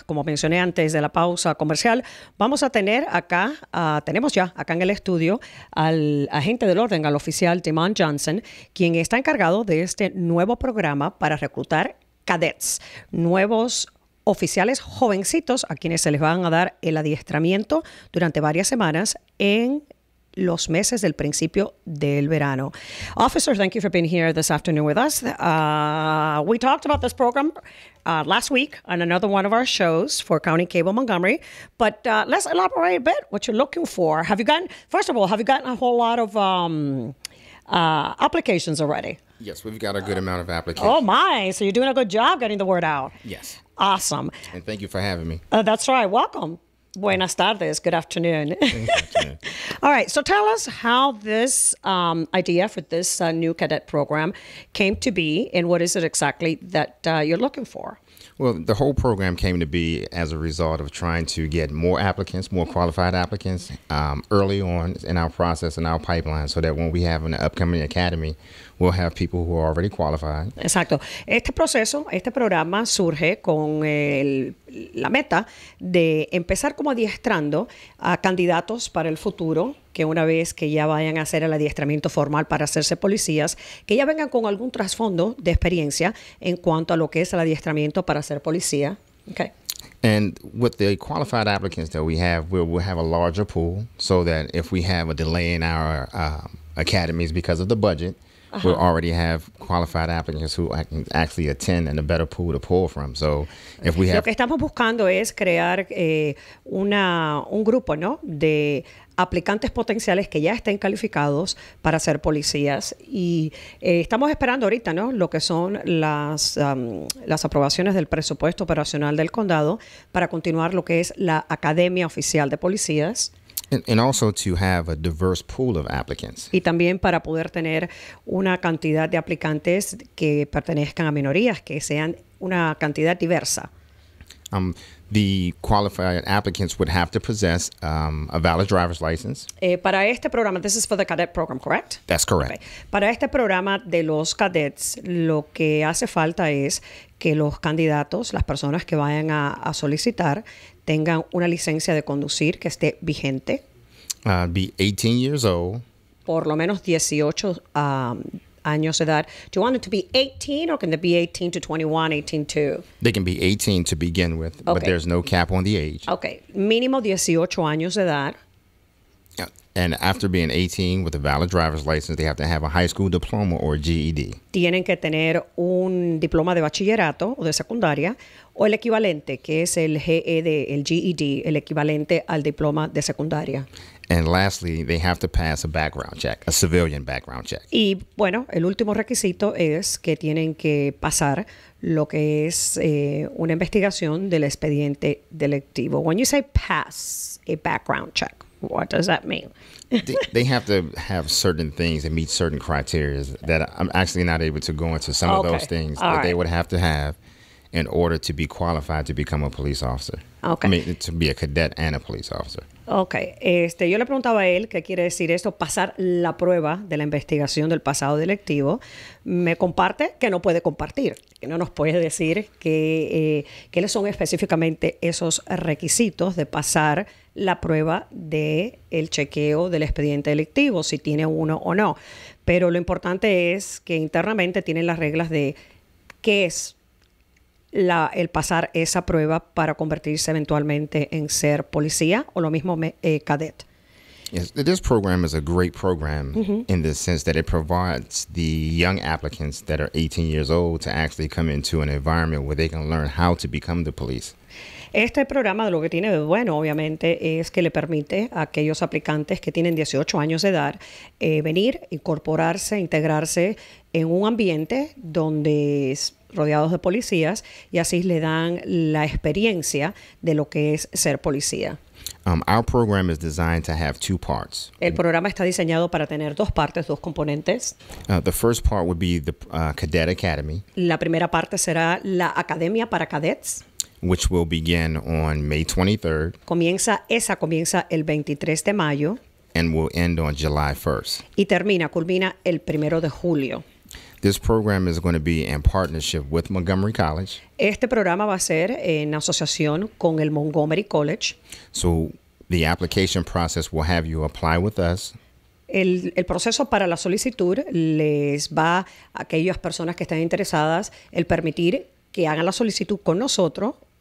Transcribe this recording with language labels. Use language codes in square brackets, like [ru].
[es] Como mencioné antes de la pausa comercial, vamos a tener acá, tenemos ya acá en el estudio al agente del orden, al oficial DeMond Johnson, quien está encargado de este nuevo programa para reclutar cadets, nuevos oficiales jovencitos a quienes se les van a dar el adiestramiento durante varias semanas en los meses del principio del verano. [en] Officer, thank you for being here this afternoon with us. We talked about this program last week on another one of our shows for County Cable Montgomery, but let's elaborate a bit what you're looking for. Have you gotten a whole lot of applications already? Yes, we've got a good amount of applications. Oh my, so you're doing a good job getting the word out. Yes. Awesome. And thank you for having me. That's right, welcome. [es] Buenas tardes. [en] Good afternoon. All right. So tell us how this idea for this new cadet program came to be and what is it exactly that you're looking for? Well, the whole program came to be as a result of trying to get more applicants, more qualified applicants early on in our process and our pipeline so that when we have an upcoming academy, we'll have people who are already qualified. [es] Exacto. Este proceso, este programa surge con la meta de empezar como adiestrando a candidatos para el futuro que una vez que ya vayan a hacer el adiestramiento formal para hacerse policías, que ya vengan con algún trasfondo de experiencia en cuanto a lo que es el adiestramiento para ser policía. [en] Okay. And with the qualified applicants that we have, we'll have a larger pool so that if we have a delay in our academies because of the budget, uh-huh. We'll already have qualified applicants who can actually attend and a better pool to pull from. So if we have... [es] Lo que estamos buscando es crear un grupo, ¿no?, de aplicantes potenciales que ya estén calificados para ser policías. Y estamos esperando ahorita, ¿no?, lo que son las aprobaciones del presupuesto operacional del condado para continuar lo que es la Academia Oficial de Policías. [en] And also to have a diverse pool of applicants. [es] Y también para poder tener una cantidad de aplicantes que pertenezcan a minorías, que sean una cantidad diversa. [en] The qualified applicants would have to possess a valid driver's license. [es] Para este programa, [en] this is for the cadet program, correct? That's correct. Okay. [es] Para este programa de los cadets, lo que hace falta es que los candidatos, las personas que vayan a solicitar, tengan una licencia de conducir que esté vigente. [en] Be 18 years old. [es] Por lo menos 18 años de edad. [en] Do you want it to be 18 or can it be 18 to 21, 18 to? They can be 18 to begin with, okay. But there's no cap on the age. [es] Okay, mínimo 18 años de edad. [en] And after being 18 with a valid driver's license, they have to have a high school diploma or GED. [es] Tienen que tener un diploma de bachillerato o de secundaria o el equivalente, que es el GED, el GED, el equivalente al diploma de secundaria. [en] And lastly, they have to pass a background check, a civilian background check. [es] Y bueno, el último requisito es que tienen que pasar lo que es una investigación del expediente delictivo. [en] When you say pass a background check, what does that mean? They have to have certain things and meet certain criteria that I'm actually not able to go into some of those things All that right. they would have to have in order to be qualified to become a police officer. Okay. I mean, to be a cadet and a police officer. Okay. [es] Yo le preguntaba a él qué quiere decir esto, pasar la prueba de la investigación del pasado delictivo. Me comparte que no puede compartir, que no nos puede decir qué le son específicamente esos requisitos de pasar la prueba de el chequeo del expediente delictivo, si tiene uno o no. Pero lo importante es que internamente tienen las reglas de qué es el pasar esa prueba para convertirse eventualmente en ser policía o lo mismo cadet. [en] Yes, this program is a great program mm-hmm. in the sense that it provides the young applicants that are 18 years old to actually come into an environment where they can learn how to become the police. [es] Este programa lo que tiene de bueno, obviamente, es que le permite a aquellos aplicantes que tienen 18 años de edad venir, incorporarse, integrarse en un ambiente donde es rodeados de policías y así le dan la experiencia de lo que es ser policía. [en] Our program is designed to have two parts. [es] El programa está diseñado para tener dos partes, dos componentes. [en] The first part would be the Cadet Academy. [es] La primera parte será la Academia para Cadets. [en] Which will begin on May 23rd. [es] Comienza el 23 de mayo. [en] And will end on July 1st. [es] Y culmina el 1 de julio. [en] This program is going to be in partnership with Montgomery College. [es] Este programa va a ser en asociación con el Montgomery College. [en] So the application process will have you apply with us. [es] El proceso para la solicitud les va a aquellas personas que están interesadas el permitir que hagan la solicitud con nosotros.